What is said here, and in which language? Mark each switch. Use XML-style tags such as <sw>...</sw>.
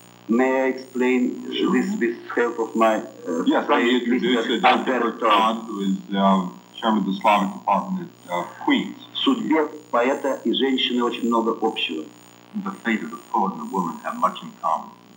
<en>May I explain this with help of my Dr. Bertrand, who is chairman of the Slavic Department at Queens.</en> <ru>Судьба поэта и женщины очень много общего.</ru> <en>The fate of the poet and the woman have much in common.</en>